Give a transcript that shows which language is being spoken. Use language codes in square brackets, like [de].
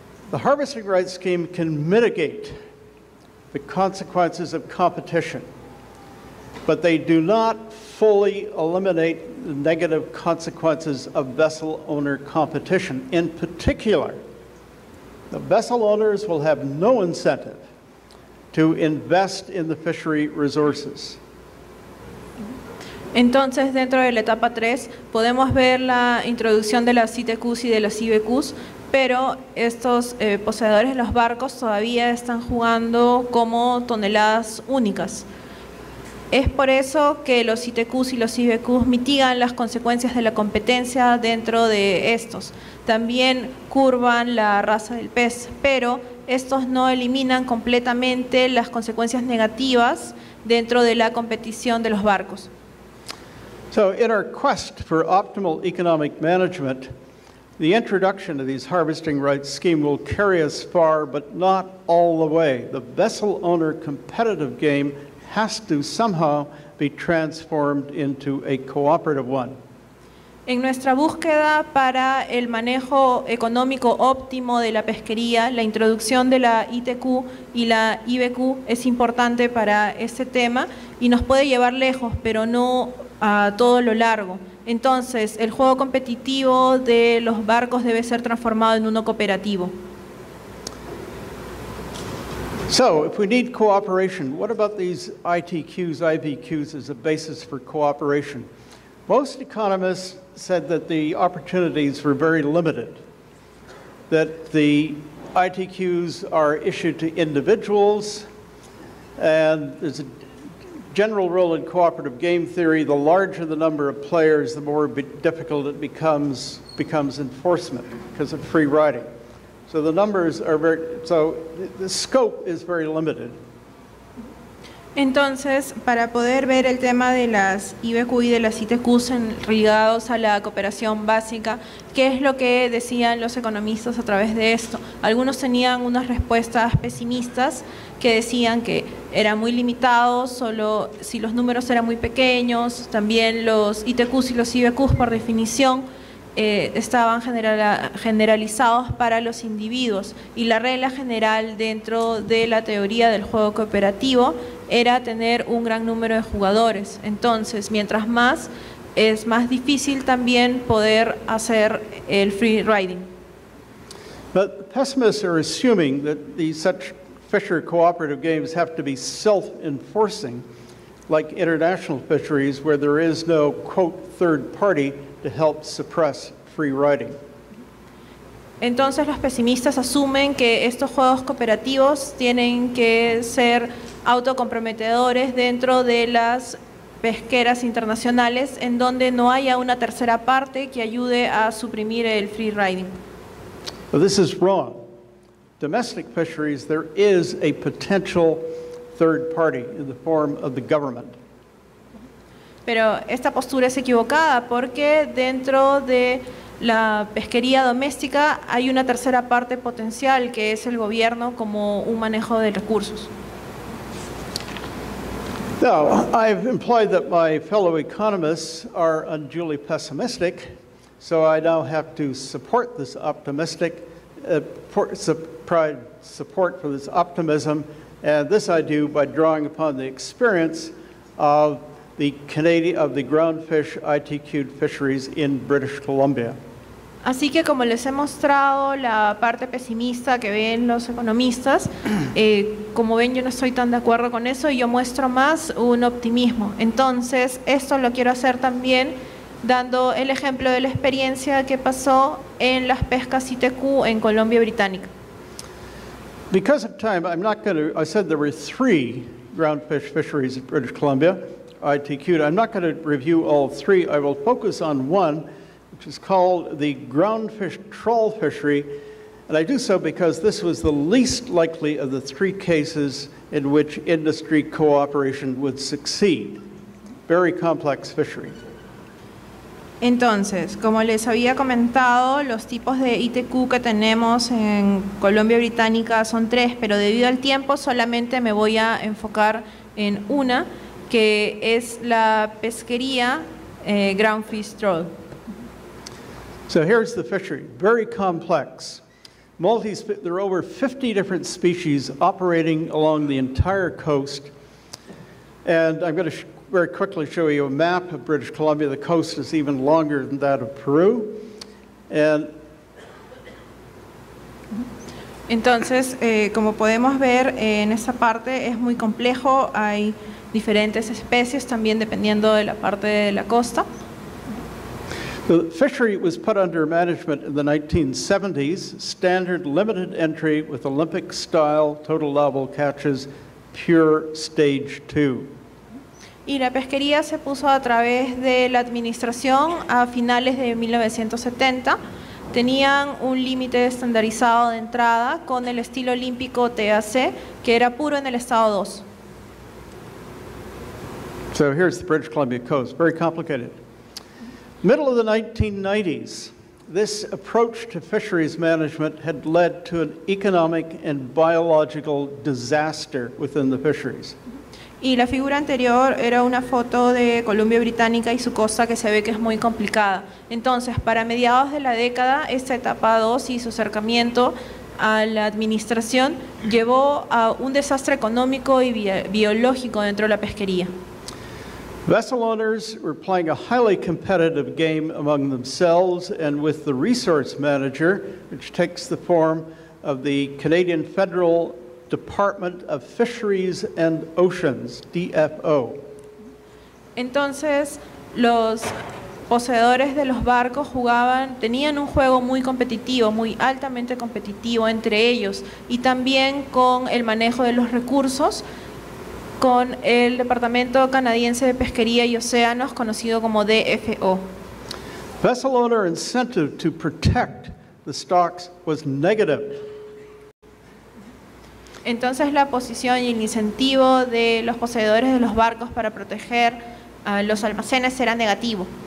[en] The harvesting rights scheme can mitigate the consequences of competition, but they do not fully eliminate the negative consequences of vessel owner competition. In particular, the vessel owners will have no incentive to invest in the fishery resources. [es] Entonces, dentro de la etapa 3, podemos ver la introducción de las ITQs y de las IBQs, pero estos poseedores de los barcos todavía están jugando como toneladas únicas. Es por eso que los ITQs y los IBQs mitigan las consecuencias de la competencia dentro de estos. También curvan la raza del pez, pero estos no eliminan completamente las consecuencias negativas dentro de la competición de los barcos. [en] So in our quest for optimal economic management, the introduction of these harvesting rights scheme will carry us far, but not all the way. The vessel owner competitive game has to somehow be transformed into a cooperative one. [es] En nuestra búsqueda para el manejo económico óptimo de la pesquería, la introducción de la ITQ y la IBQ es importante para este tema y nos puede llevar lejos, pero no a todo lo largo. Entonces, el juego competitivo de los barcos debe ser transformado en uno cooperativo. [en] So, if we need cooperation, what about these ITQs, IBQs as a basis for cooperation? Most economists said that the opportunities were very limited, that the ITQs are issued to individuals, and there's a general rule in cooperative game theory, the larger the number of players, the more difficult it becomes enforcement because of free riding. So the numbers are very, so the scope is very limited. [es] Entonces, para poder ver el tema de las IBQ y de las ITQs ligados a la cooperación básica, ¿qué es lo que decían los economistas a través de esto? Algunos tenían unas respuestas pesimistas que decían que era muy limitado, solo si los números eran muy pequeños, también los ITQs y los IBQs por definición estaban generalizados para los individuos y la regla general dentro de la teoría del juego cooperativo era tener un gran número de jugadores. Entonces, mientras más, es más difícil también poder hacer el free riding. [en] But pessimists are assuming that these such fisher cooperative games have to be self-enforcing, like international fisheries, where there is no, quote, third party to help suppress free riding. [es] Entonces, los pesimistas asumen que estos juegos cooperativos tienen que ser autocomprometedores dentro de las pesqueras internacionales en donde no haya una tercera parte que ayude a suprimir el free riding. [en] Well, this is wrong. Domestic fisheries, there is a potential third party in the form of the government. [es] Pero esta postura es equivocada porque dentro de la pesquería doméstica hay una tercera parte potencial que es el gobierno como un manejo de recursos. [en] Now, I've implied that my fellow economists are unduly pessimistic, so I now have to support this optimistic, support for this optimism, and this I do by drawing upon the experience of the Canadian, of the groundfish ITQ fisheries in British Columbia. [es] Así que como les he mostrado la parte pesimista que ven los economistas, como ven yo no estoy tan de acuerdo con eso y yo muestro más un optimismo. Entonces, esto lo quiero hacer también dando el ejemplo de la experiencia que pasó en las pescas ITQ en Colombia Británica. [en] Because of time, I'm not going to, I said there were three groundfish fisheries in British Columbia, ITQ. I'm not going to review all three. I will focus on one, which is called the groundfish trawl fishery, and I do so because this was the least likely of the three cases in which industry cooperation would succeed. Very complex fishery. [es] Entonces, como les había comentado, los tipos de ITQ que tenemos en Colombia Británica son tres, pero debido al tiempo solamente me voy a enfocar en una, que es la pesquería groundfish trawl. [en] So here's the fishery, very complex. There are over 50 different species operating along the entire coast. And I'm going to very quickly show you a map of British Columbia. The coast is even longer than that of Peru. And [es] entonces, como podemos ver en esa parte, es muy complejo. Hay diferentes especies también dependiendo de la parte de la costa. [en] The fishery was put under management in the 1970s, standard limited entry with Olympic style total allowable catches, pure stage two. [es] Y la pesquería se puso a través de la administración a finales de 1970. Tenían un límite estandarizado de entrada con el estilo olímpico TAC, que era puro en el estado 2. [en] So here's the British Columbia coast, very complicated. Middle of the 1990s, this approach to fisheries management had led to an economic and biological disaster within the fisheries. [es] Y la figura anterior era una foto de Columbia Británica y su costa que se ve que es muy complicada. Entonces, para mediados de la década, esta etapa 2 y su acercamiento a la administración llevó a un desastre económico y biológico dentro de la pesquería. [en] Vessel owners were playing a highly competitive game among themselves and with the resource manager, which takes the form of the Canadian Federal Department of Fisheries and Oceans, DFO. [es] Entonces, los poseedores de los barcos jugaban, tenían un juego muy competitivo, muy altamente competitivo entre ellos, y también con el manejo de los recursos, con el Departamento Canadiense de Pesquería y Océanos, conocido como DFO. [en] Vessel owner incentive to protect the stocks was negative. [es] Entonces la posición y el incentivo de los poseedores de los barcos para proteger los almacenes era negativo.